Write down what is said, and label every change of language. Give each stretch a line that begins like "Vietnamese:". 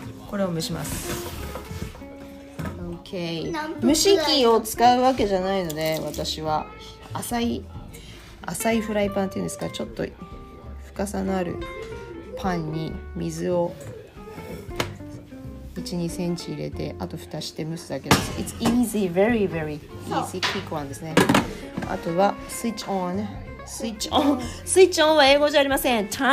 Japanese: これを蒸します。Okay. 蒸し器を使うわけじゃないので、私は浅いフライパンっていうんですか、ちょっと深さのあるパンに水を 1-2cm 入れて、あと蓋して蒸すだけです。
English: It's easy, very very easy, quick one ですね。
Japanese: あとはスイッチオン、は英語じゃありません。